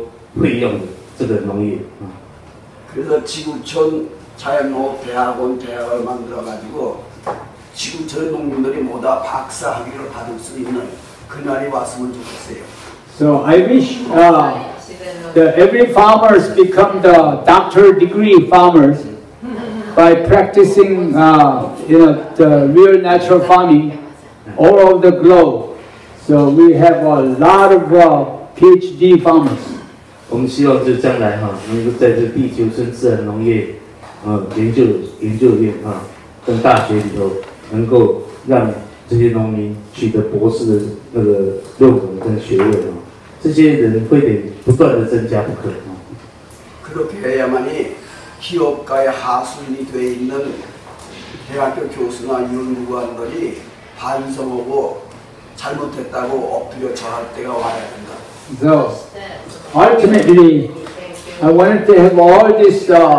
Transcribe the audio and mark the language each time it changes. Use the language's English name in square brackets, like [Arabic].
[Chinese] 我们非得要用爱情来支撑着这个农业，来取代要花费很多费用的这个农业。 [Korean] 그래서 지구촌 자연농업 대학원 대학을 만들어가지고 지구촌 농민들이 모두 다 박사 학위를 받을 수 있는 그날이 왔으면 좋겠어요. [English] So I wish every farmers become the doctor degree farmers by practicing the real natural farming all over the globe. So we have a lot of PhD farmers. [Chinese] 我们希望就将来能够在这地球村自然农业 研究院跟大学里头，能够让这些农民取得博士的那个论文跟学位，这些人会得不断的增加不可。 [Korean] 그렇게야만이 기업가의 하수인이 되어 있는 대학교 교수나 연구관들이 반성하고 잘못했다고 엎드려 전할 때가 와야 된다. [English] So, ultimately, I wanted to have all this.